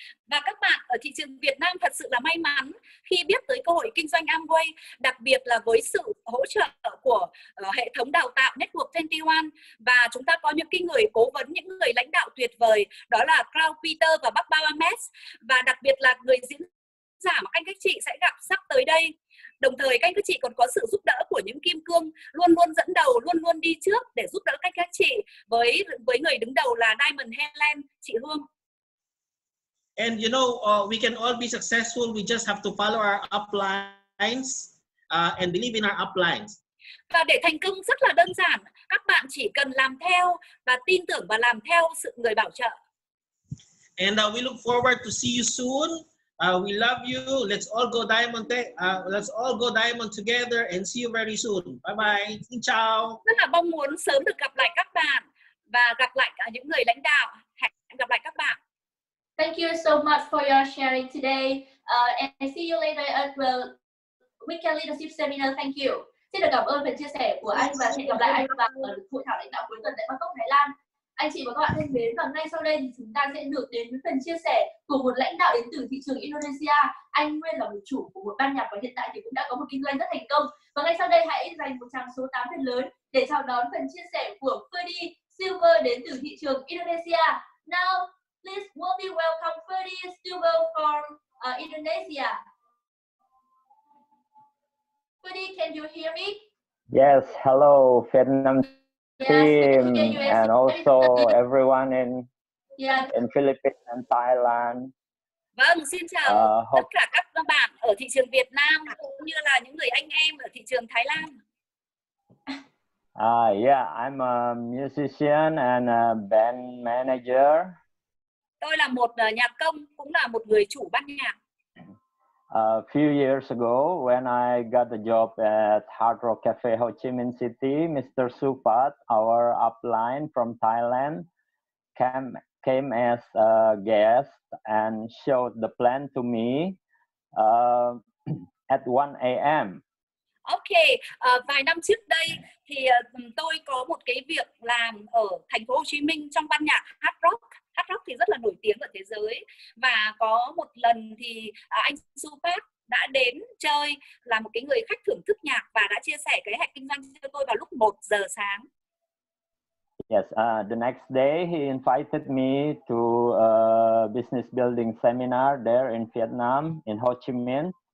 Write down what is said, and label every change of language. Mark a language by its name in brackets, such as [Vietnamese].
[Vietnamese] Và các bạn ở thị trường Việt Nam thật sự là may mắn khi biết tới cơ hội kinh doanh Amway, đặc biệt là với sự hỗ trợ của hệ thống đào tạo Network 21. Và chúng ta có những cái người cố vấn, những người lãnh đạo tuyệt vời, đó là Crow Peter và Bác Bao Ames. Và đặc biệt là người diễn giả mà các anh chị sẽ gặp sắp tới đây. Đồng thời các anh chị còn có sự giúp đỡ của những kim cương luôn luôn dẫn đầu, luôn luôn đi trước để giúp đỡ các anh chị với người đứng đầu là Diamond Helen, chị Hương. [English] And you know, we can all be successful, we just have to follow our uplines and believe in our uplines. [Vietnamese] Và để thành công rất là đơn giản, các bạn chỉ cần làm theo và tin tưởng và làm theo sự người bảo trợ. [English] And we look forward to see you soon. We love you. Let's all go diamond. Let's all go diamond together and see you very soon. Bye-bye. [Vietnamese] Xin chào. Rất là mong muốn sớm được gặp lại các bạn và gặp lại cả những người lãnh đạo. Hẹn gặp lại các bạn. [English] Thank you so much for your sharing today. And see you later at the Weekend Leadership Seminar. Thank you. [Vietnamese] Xin được cảm ơn phần chia sẻ của anh và hẹn gặp lại anh và ở hội thảo lãnh đạo cuối tuần tại Bangkok, Thái Lan. Anh chị và các bạn thân mến, và ngay sau đây thì chúng ta sẽ được đến với phần chia sẻ của một lãnh đạo đến từ thị trường Indonesia. Anh nguyên là một chủ của một ban nhạc và hiện tại thì cũng đã có một kinh doanh rất thành công. Và ngay sau đây hãy dành một tràng số 8 thật lớn để chào đón phần chia sẻ của Ferdy Silver đến từ thị trường Indonesia. [English] Now, please warmly welcome Ferdy Silver from Indonesia. Ferdy, can you hear me? Yes, hello Vietnam team, yes, and also everyone in in Philippines and Thailand. [Vietnamese] Vâng, xin chào tất cả các bạn ở thị trường Việt Nam cũng như là những người anh em ở thị trường Thái Lan. [English] Yeah, I'm a musician and a band manager. [Vietnamese] Tôi là một nhạc công, cũng là một người chủ ban nhạc. [English] A few years ago, when I got a job at Hard Rock Cafe Ho Chi Minh City, Mr. Supat, our upline from Thailand, came as a guest and showed the plan to me at 1 a.m. [Vietnamese] Okay, vài năm trước đây thì tôi có một cái việc làm ở thành phố Hồ Chí Minh trong ban nhạc Hard Rock. Hard Rock thì rất là nổi tiếng ở thế giới. Và có một lần thì anh Supat đã đến chơi, là một cái người khách thưởng thức nhạc, và đã chia sẻ cái hạch kinh doanh cho tôi vào lúc 1 giờ sáng. [English] Yes, the next day he invited me to a business building seminar there in Vietnam, in Ho Chi Minh.